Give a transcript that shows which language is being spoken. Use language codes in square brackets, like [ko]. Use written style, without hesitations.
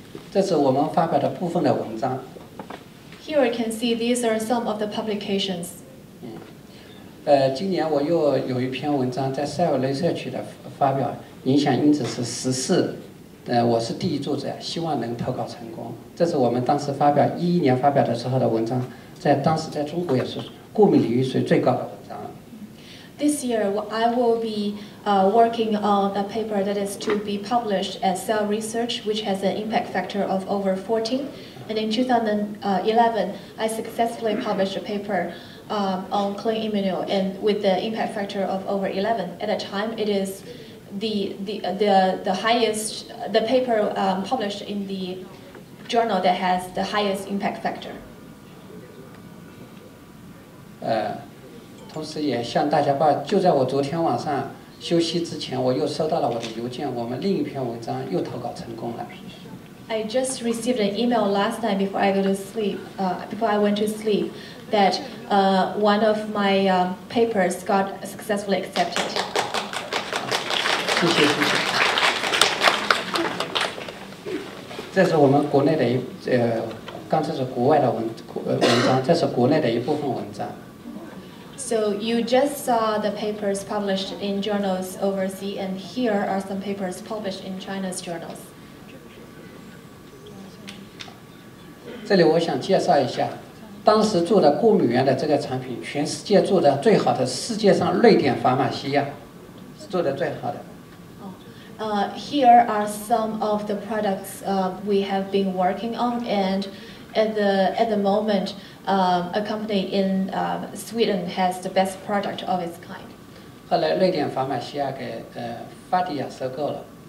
[zh] 这是我们发表的部分的文章。 [en] Here you can see these are some of the publications. [zh] 今年我又有一篇文章在 Cell Research 的发表，影响因子是14，我是第一作者，希望能投稿成功。这是我们当时发表2011年发表的时候的文章，在当时在中国也是过敏领域属于最高的文章。 [en] This year I will be, working on a paper that is to be published at Cell Research, which has an impact factor of over 14. And in 2011, I successfully published a paper. On clean immuno and with the impact factor of over 11. At the time, it is the highest, the paper, published in the journal that has the highest impact factor. [zh] 同时也向大家报，就在我昨天晚上休息之前，我又收到了我的邮件，我们另一篇文章又投稿成功了。 [en] I just received an email last night before I go to sleep, before I went to sleep, that, one of my, papers got successfully accepted. [zh] 谢谢谢谢。这是我们国内的一，刚才是国外的文章，这是国内的一部分文章。 [en] So you just saw the papers published in journals overseas, and here are some papers published in China's journals. [zh] 这里我想介绍一下，当时做的过敏源的这个产品，全世界做的最好的，世界上瑞典法玛西亚是做的最好的。 [en] Here are some of the products, we have been working on, and at the moment, a company in, Sweden has the best product of its kind. [zh] 后来瑞典法玛西亚给法迪亚收购了。